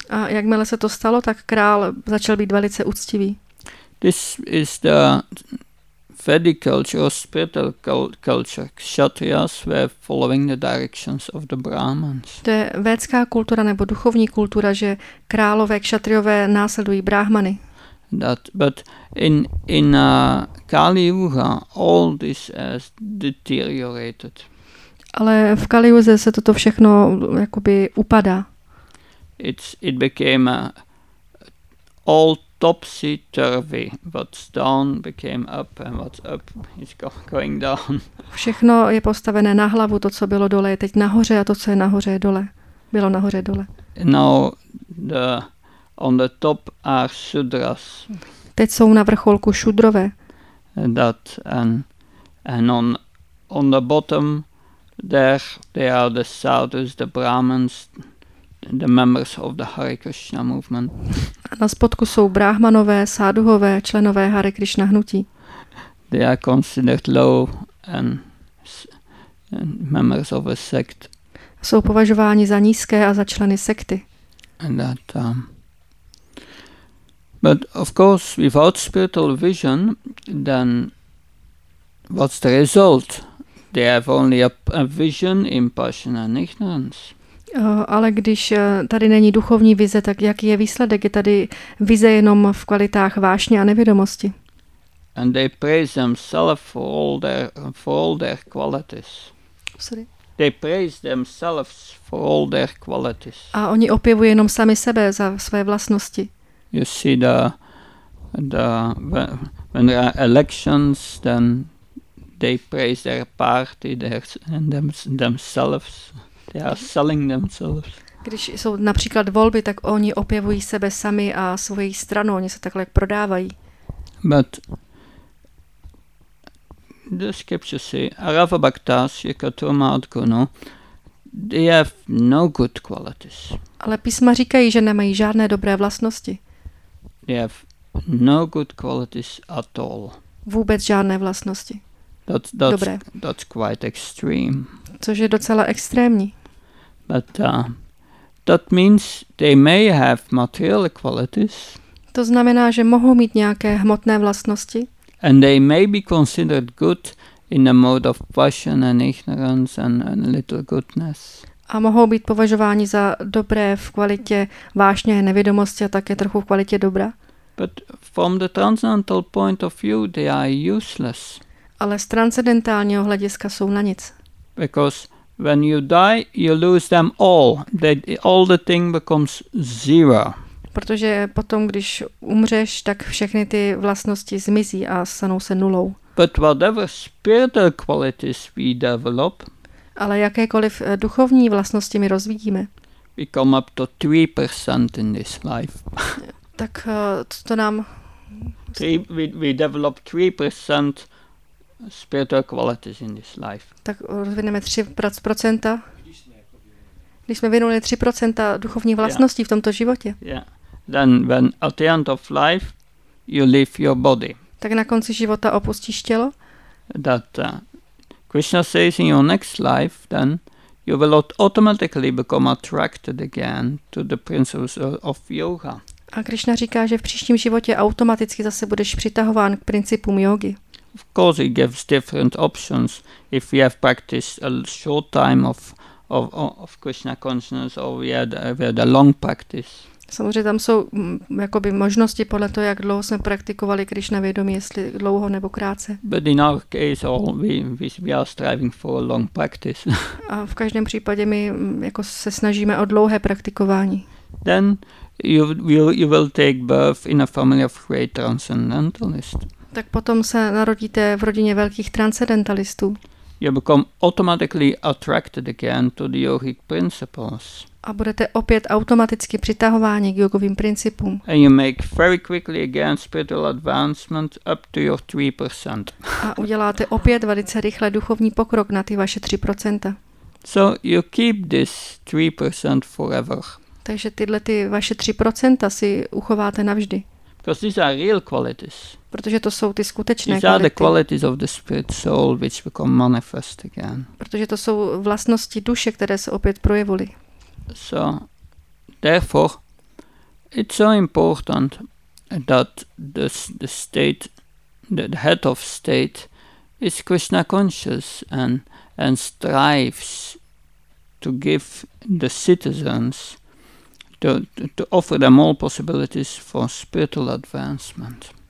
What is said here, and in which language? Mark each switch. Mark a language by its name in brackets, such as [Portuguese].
[Czech] A jakmile se to stalo, tak král začal být velice úctivý. [English] This is the Vedic culture or spiritual culture. Kshatriyas were following the directions of the Brahmans. [Czech] To je védská kultura nebo duchovní kultura, že králové kshatriové následují Brahmany. [English] That, but in Kali Yuga all this has deteriorated. [Czech] Ale v Kali Yuze se toto všechno jakoby upadá. [English] It became all topsy turvy. What's down became up and what's up is going down. [Czech] Všechno je postavené na hlavu, to co bylo dole je teď nahoře a to co je nahoře je dole. Bylo nahoře dole. [English] Now the on the top are shudras. [Czech] Teď jsou na vrcholku šudrové. [English] That and on the bottom there are the sadhus, the brahmans, the members of the Hare Krishna movement. [Czech] A na spodku jsou brahmanové, sádhuhové, členové Hare Krishna hnutí. [English] They are considered low and members of a sect. [Czech] Jsou považováni za nízké a za členy sekty. [English] And that, but of course, without spiritual vision, then what's the result? They have only a vision in passion and ignorance. [Czech] Ale když tady není duchovní vize, tak jaký je výsledek? Je tady vize jenom v kvalitách vášně a nevědomosti. [English] And they praise themselves for all their qualities. Sorry. They praise themselves for all their qualities. [Czech] A oni opěvují jenom sami sebe za své vlastnosti. [English] You see the when there are elections, then they praise their party, themselves. They are selling themselves. [Czech] Když jsou například volby, tak oni opěvují sebe sami a svoji stranu, oni se takhle prodávají. [English] But the scriptures say, [Sanskrit] Arava Bhaktas, Yekatoma Adguno, [English] they have no good qualities. [Czech] Ale písma říkají, že nemají žádné dobré vlastnosti. [English] They have no good qualities at all. [Czech] Vůbec žádné vlastnosti. [English] That's [Czech] dobré. [English] That's quite extreme. [Czech] Což je docela extrémní. [English] But that means they may have material qualities. [Czech] To znamená, že mohou mít nějaké hmotné vlastnosti. [English] And they may be considered good in the mode of passion and ignorance and little goodness. [Czech] A mohou být považováni za dobré v kvalitě vášně a nevědomosti a také trochu v kvalitě dobra. [English] But from the transcendental point of view, they are useless. [Czech] Ale z transcendentálního hlediska jsou na nic. [English] Because when you die, you lose them all. All the thing becomes zero. [Czech] Protože potom, když umřeš, tak všechny ty vlastnosti zmizí a stanou se nulou. [English] But whatever spiritual qualities we develop, [Czech] ale jakékoliv duchovní vlastnosti my rozvíjíme. [English] We come up to 3% in this life. [Czech] Tak to nám... [English] We develop 3% spiritual qualities in this life. [Czech] Tak rozvineme 3%. Když jsme vynuli 3% duchovních vlastností v tomto životě. [English] Yeah. Then when at the end of life you leave your body. [Czech] Tak na konci života opustíš tělo. [English] That... Krishna says in your next life, then you will automatically become attracted again to the principles of yoga. [Czech] A Krishna říká, že v příštím životě automaticky zase budeš přitahován k principům jógy. [English] Of course, it gives different options if we have practiced a short time of Krishna consciousness or we had a long practice. [Czech] Samozřejmě tam jsou jakoby možnosti podle toho, jak dlouho jsme praktikovali Krishna vědomí, jestli dlouho nebo krátce. [English] But in our case, all we are striving for a long practice. [Czech] A v každém případě my jako se snažíme o dlouhé praktikování. [English] Then you will take birth in a family of great transcendentalists. [Czech] Tak potom se narodíte v rodině velkých transcendentalistů. [English] You become automatically attracted again to the yogic principles. [Czech] A budete opět automaticky přitahováni k jogovým principům. [English] And you make very quickly again spiritual advancement up to your 3%. [Czech] A uděláte opět velice rychle duchovní pokrok na ty vaše 3%. [English] So you keep this 3% forever. [Czech] Takže tyhle ty vaše 3% si uchováte navždy. [English] Because these are real qualities. [Czech] Protože to jsou ty skutečné [English] these [Czech] kvality. [English] Are the qualities of the spirit soul which become manifest again. [Czech] Protože to jsou vlastnosti duše, které se opět projevily. [English] So therefore it's so important that the state, that the head of state is Krishna conscious and strives to give the citizens to offer them all possibilities for spiritual advancement.